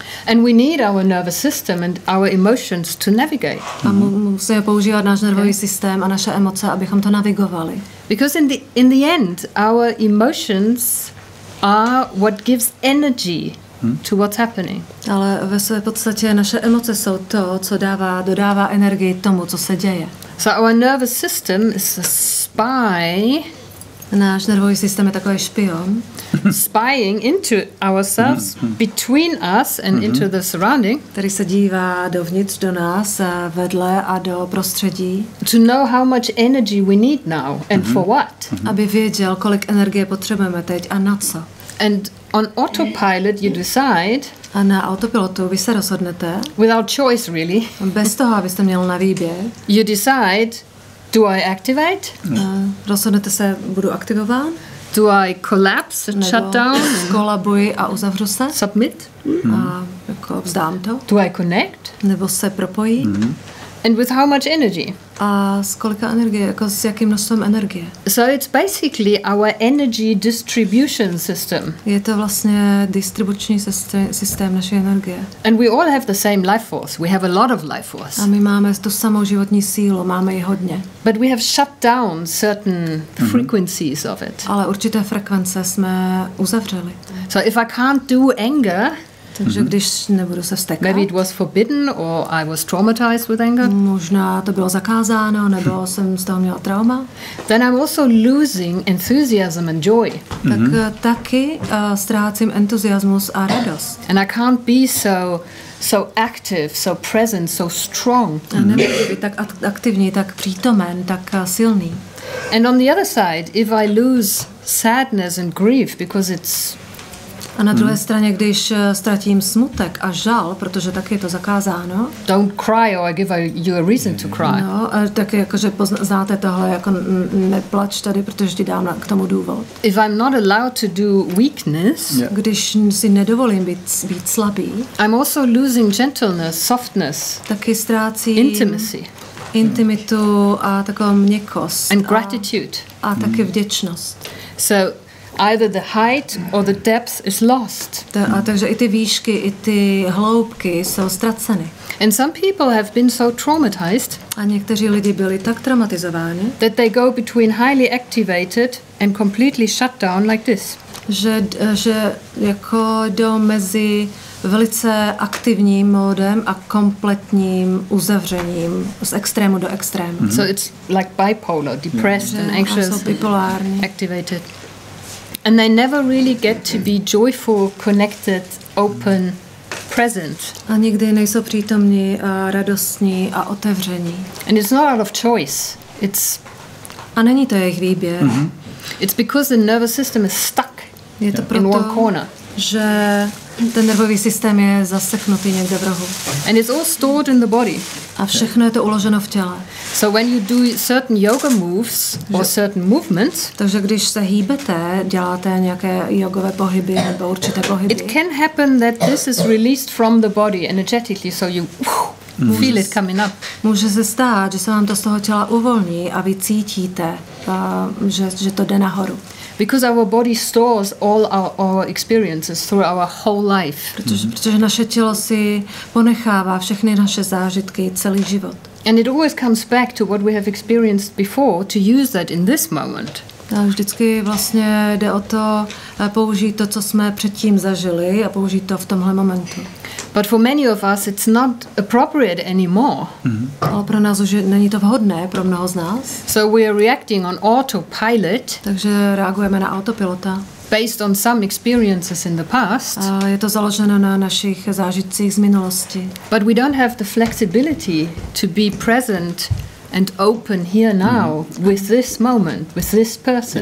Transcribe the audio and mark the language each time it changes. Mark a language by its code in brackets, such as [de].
[en] And we need our nervous system and our emotions to navigate. [cs] A musíme používat náš nervový systém a naše emoce, abychom to navigovali. [en] Because in the end, our emotions are what gives energy to what's happening. [cs] Ale ve své podstatě naše emoce jsou to, co dodává energii tomu, co se děje. [en] So our nervous system is a spy. [cs] Náš nervový systém je takový špion. [en] Spying into ourselves, between us and into the surrounding. [cs] Který se dívá dovnitř do nás, vedle a do prostředí. [en] To know how much energy we need now and for what. [cs] Aby věděl, kolik energie potřebujeme teď a na co. [en] And on autopilot you decide. [cs] A na autopilotu vy se rozhodnete. [en] Without choice really. [cs] Bez toho, abyste měl na výběr. [en] You decide. Do I activate? [cs] Rozhodnete se, budu aktivován? [en] Do I collapse and shut down? [cs] Kolabuji a uzavřu se? [en] Submit? [cs] A jako vzdám to? [en] Do I connect? [cs] Nebo se propojí? [en] And with how much energy? [cs] A s kolika energie, jako s jakým množstvím energie? [en] So it's basically our energy distribution system. [cs] Je to vlastně distribuční systém naší energie. [en] And we all have the same life force. We have a lot of life force. [cs] A my máme tu samou životní sílu, máme ji hodně. [en] But we have shut down certain frequencies of it. [cs] Ale určité frekvence jsme uzavřeli. [en] So if I can't do anger, [cs] takže když nebudu se vztekat. [en] Maybe it was forbidden or I was traumatized with anger. [cs] Možná to bylo zakázáno, nebo jsem z toho měla trauma. [en] Then I'm also losing enthusiasm and joy. [cs] Tak taky ztrácím entuziasmus a radost. [en] And I can't be so active, so present, so strong. [cs] A nemůžu být tak aktivní, tak přítomen, tak silný. [en] And on the other side, if I lose sadness and grief because it's [cs] A na druhé straně, když ztratím smutek a žal, protože tak je to zakázáno. [en] Don't cry or I give you a reason to cry. [cs] No, tak jakože znáte tohle, jako neplač tady, protože ti dám k tomu důvod. [en] If I'm not allowed to do weakness, yeah. [cs] Když si nedovolím být slabý, [en] I'm also losing gentleness, softness, [cs] taky ztrácím [en] intimacy. [cs] Intimitu a takovou měkkost. [en] And gratitude. [cs] A taky vděčnost. [en] So either the height or the depth is lost. [cs] A takže i ty výšky, i ty hloubky jsou ztraceny. [en] And some people have been so traumatized. [cs] A někteří lidi byli tak traumatizováni. [en] That they go between highly activated and completely shut down like this. [cs] Že jako jdou mezi velice aktivním módem a kompletním uzavřením z extrému do extrému. [en] Mm-hmm. So it's like bipolar, depressed and anxious. [cs] Jsou bipolární. [en] Activated. And they never really get to be joyful, connected, open, present. [cs] A nikdy nejsou přítomní a radostní a otevření. [en] And it's not out of choice. It's [cs] a není to jejich výběr. [en] Mm-hmm. It's because the nervous system is stuck. [cs] Je to proto, [en] in one corner. [cs] Že ten nervový systém je zaseknutý někde v rohu. [en] And it's all stored in the body. [cs] A všechno je to uloženo v těle. [en] So when you do certain yoga moves or certain movements, [cs] takže když se hýbete, děláte nějaké jogové pohyby nebo určité pohyby, [en] it can happen that this is released from the body energetically, so you feel it coming up. [cs] Může se stát, že se vám to z toho těla uvolní a vy cítíte, že to jde nahoru. [en] Because our body stores all our experiences through our whole life. [cs] Protože naše tělo si ponechává všechny naše zážitky celý život. [en] And it always comes back to what we have experienced before to use that in this moment. [cs] A vždycky vlastně jde o to použít to, co jsme předtím zažili a použít to v tomhle momentu. [en] But for many of us it's not appropriate anymore. Mm-hmm. [cs] Ale pro nás už není to vhodné, pro mnoho z nás. [en] So we are reacting on autopilot. [cs] Takže reagujeme na autopilota. [en] Based on some experiences in the past. [cs] A je to založeno na našich zážitcích z minulosti. [en] But we don't have the flexibility to be present and open here now with this moment, with this person.